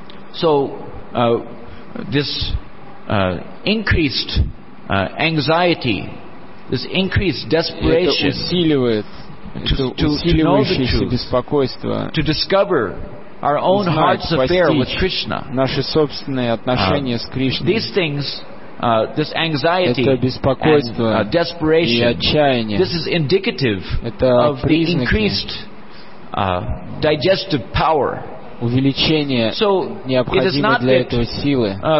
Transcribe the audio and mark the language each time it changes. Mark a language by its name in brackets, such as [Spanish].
[English] So this increased anxiety, this increased desperation to know the truth, беспокойство, to discover our own heart's affair with Krishna, [Russian] наши собственные отношения с Кришной, [English] these things, this anxiety, [Russian] это беспокойство [English] and desperation, [Russian] и отчаяние, [English] this is indicative of the increased digestive power. [Russian] Увеличение необходимой для этого силы.